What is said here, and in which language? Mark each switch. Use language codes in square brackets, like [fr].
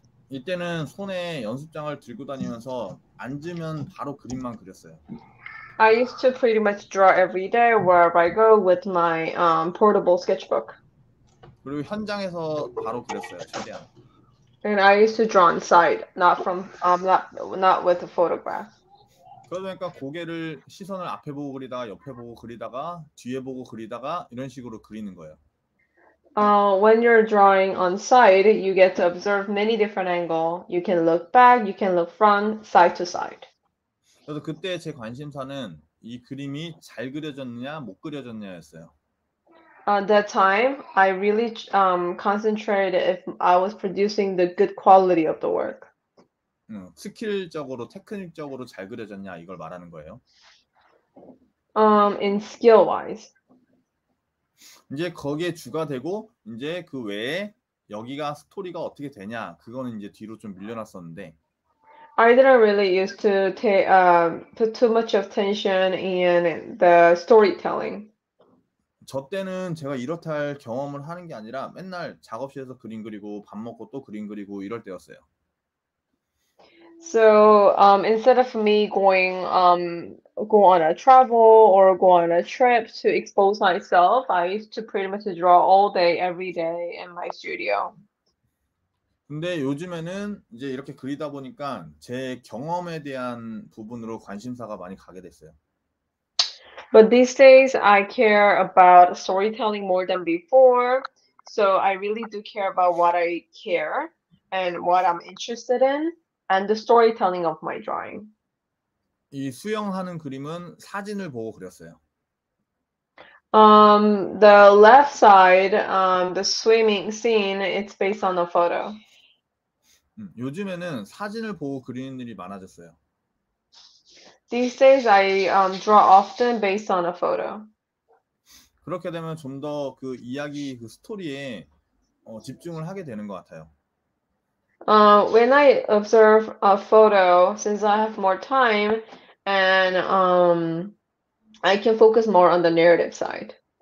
[ko] 이때는 손에 연습장을 들고 다니면서 앉으면 바로 그림만 그렸어요. [en] I used to pretty much draw every day wherever I go with my portable sketchbook. [ko] 그리고 현장에서 바로 그렸어요, 최대한. [en] And I used to draw on site, not with a photograph. [ko] 그러니까 고개를 시선을 앞에 보고 그리다가 옆에 보고 그리다가 뒤에 보고 그리다가 이런 식으로 그리는 거예요. [en] When you're drawing on site, you get to observe many different angles. You can look back, you can look front, side to side. [ko] 그래서 그때 제 관심사는 이 그림이 잘 그려졌느냐, 못 그려졌냐였어요. [en] That time, I really concentrated if I was producing the good quality of the work. [ko] 스킬적으로 테크닉적으로 잘 그려졌냐 이걸 말하는 거예요. [en] In skill wise. [ko] 이제 거기에 주가 되고 이제 그 외에 여기가 스토리가 어떻게 되냐 그거는 이제 뒤로 좀 밀려났었는데. [en] I didn't really used to put too much of tension in the storytelling. [ko] 저 때는 제가 이렇다 할 경험을 하는 게 아니라 맨날 작업실에서 그림 그리고 밥 먹고 또 그림 그리고 이럴 때였어요. [en] So instead of me going go on a travel or go on a trip to expose myself, I used to pretty much draw all day every day in my studio. [ko] 근데 요즘에는 이제 이렇게 그리다 보니까 제 경험에 대한 부분으로 관심사가 많이 가게 됐어요. [en] But these days I care about storytelling more than before. So I really do care about what I care and what I'm interested in. And the storytelling of my drawing. [ko] 이 수영하는 그림은 사진을 보고 그렸어요. [en] The left side, the swimming scene, it's based on a photo. [ko] 요즘에는 사진을 보고 그리는 일이 많아졌어요. [en] These days, I draw often based on a photo. [ko] 그렇게 되면 좀 더 그 이야기, 그 스토리에 집중을 하게 되는 것 같아요. [en] When I observe a photo, since I have more time, and I can focus more on the narrative side.